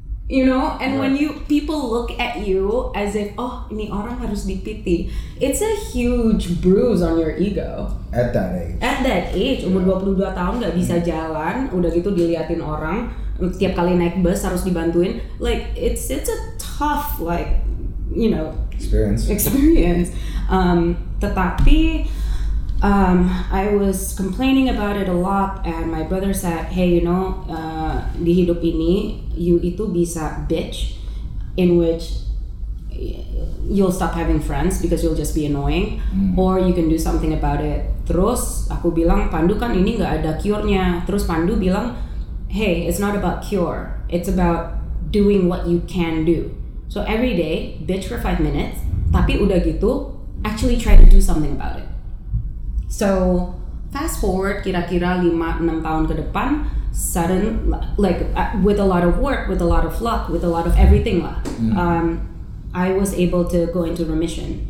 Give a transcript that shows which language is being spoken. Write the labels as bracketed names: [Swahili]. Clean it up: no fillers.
[English] You know, and when people look at you as if, oh, [Indonesian] ini orang harus dipiti. [English] It's a huge bruise on your ego. At that age, [Indonesian] umur 22 tahun gak bisa jalan, udah gitu diliatin orang, tiap kali naik bus harus dibantuin. [English] Like it's a tough experience. Tetapi I was complaining about it a lot, and my brother said, hey, you know, [Indonesian] di hidup ini, [English] you itu bisa bitch, in which you'll stop having friends because you'll just be annoying, or you can do something about it. [Indonesian] Terus aku bilang, Pandu kan ini gak ada cure-nya. Terus Pandu bilang, [English] hey, it's not about cure, it's about doing what you can do. So every day, bitch for 5 minutes, [Indonesian] tapi udah gitu, [English] actually try to do something about it. So, fast forward, [Indonesian] kira-kira 5-6 tahun ke depan, [English] sudden, like, with a lot of work, with a lot of luck, with a lot of everything lah, I was able to go into remission.